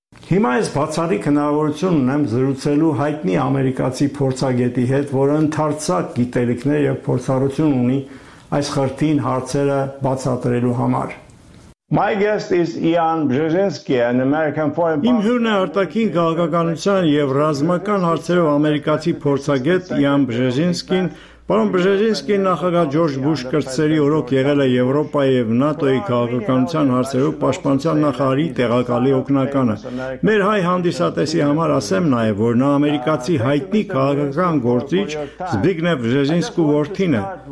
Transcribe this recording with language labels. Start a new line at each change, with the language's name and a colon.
Armenian: Հիմա ես բացառիկ հնարավորություն ունեմ զրուցելու հայտնի ամերիկացի փորձագետի հետ, որը ընդարձակ գիտելիքներ եւ փորձառություն ունի այս խրթին հարցերը բացատրելու համար։
English: My guest is Ian Brzezinski, an American foreign policy.
Armenian: Իմ հյուրն է արտաքին քաղաքականության եւ ռազմական հարցերով ամերիկացի փորձագետ Ian Brzezinski-ն։ Պարոն Բրժեժինսկին նախագահ Ջորջ Բուշ կրտսերի օրոք եղել է Եվրոպայի եւ ՆԱՏՕ-ի քաղաքականության հարցերով պաշտպանության նախարարի տեղակալի օգնականը։ Մեր հայ հանդիսատեսի համար ասեմ նաեւ, որ նա ամերիկացի հայտնի քաղաքական գործիչ Զբիգնև Բրժեժինսկու որդին է։